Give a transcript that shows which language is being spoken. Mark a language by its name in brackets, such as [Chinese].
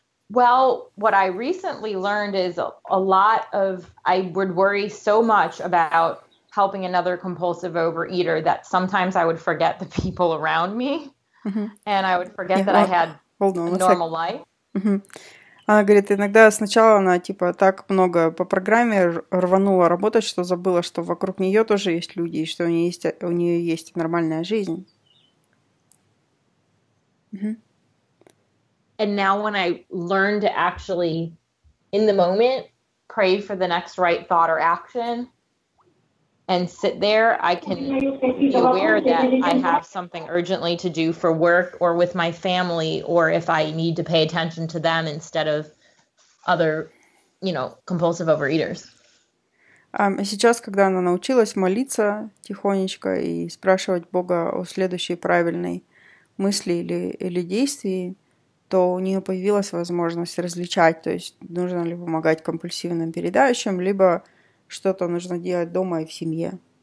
[English] Well, what I recently learned is I would worry so much about helping another compulsive overeater that sometimes I would forget the people around me, and I would forget that I had a normal life. [Russian] Она говорит, иногда сначала она типа так много по программе рванула работать, что забыла, что вокруг нее тоже есть люди, и что у нее есть нормальная жизнь. [English] And now when I learn to actually in the moment pray for the next right thought or action and sit there, I can be aware that I have something urgently to do for work or with my family, or if I need to pay attention to them instead of other you know, compulsive overeaters. [Russian] И сейчас, когда она научилась молиться тихонечко и спрашивать Бога о следующей правильной мысли или действии, то у нее появилась возможность различать, то есть нужно ли помогать компульсивным переедающим, либо что-то нужно делать дома и в семье.